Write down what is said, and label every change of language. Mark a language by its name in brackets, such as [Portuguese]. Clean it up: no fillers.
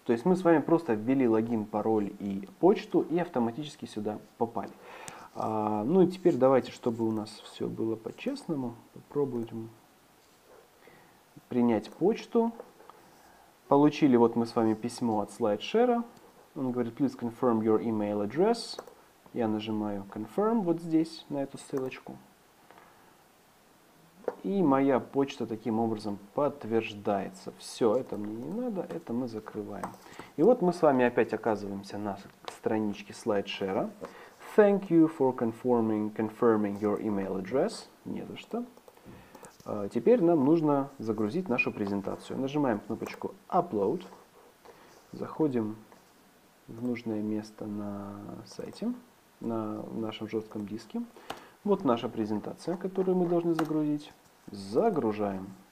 [Russian] То есть мы с вами просто ввели логин, пароль и почту и автоматически сюда попали. Ну и теперь давайте, чтобы у нас все было по-честному, попробуем принять почту. Получили вот мы с вами письмо от SlideShare. Он говорит, [English] please confirm your email address. [Russian] Я нажимаю confirm вот здесь, на эту ссылочку. И моя почта таким образом подтверждается. Все, это мне не надо, это мы закрываем. И вот мы с вами опять оказываемся на страничке SlideShare. [English] Thank you for confirming your email address. [Russian] Не за что. Теперь нам нужно загрузить нашу презентацию. Нажимаем кнопочку Upload. Заходим в нужное место на сайте, на нашем жестком диске. Вот наша презентация, которую мы должны загрузить. Загружаем.